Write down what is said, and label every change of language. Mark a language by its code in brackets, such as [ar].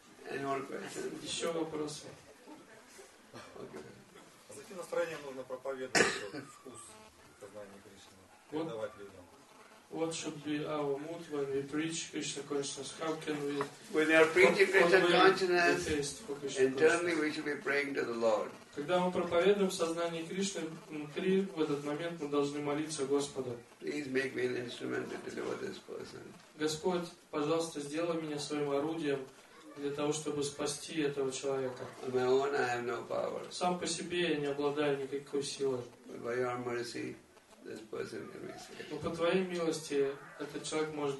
[en] Any more questions? [ru] Еще вопросы? Okay. А за каким настроением нужно проповедовать вкус познания Кришны? Вот. Передавать людям? [en] What should be our mood when we preach Krishna consciousness? How can we? When we are preaching Krishna consciousness, internally we should be praying to the Lord. [ru] Когда мы проповедуем в сознании Кришны, внутри в этот момент мы должны молиться Господу. [en] Please make me an instrument to deliver this person. [ru] Господь, пожалуйста, сделай меня своим орудием для того, чтобы спасти этого человека. [en] On my own, I have no power. [ru] Сам по себе я не обладаю никакой силой. [en] By your mercy, this person can be saved. [ru] Но по твоей милости этот человек может быть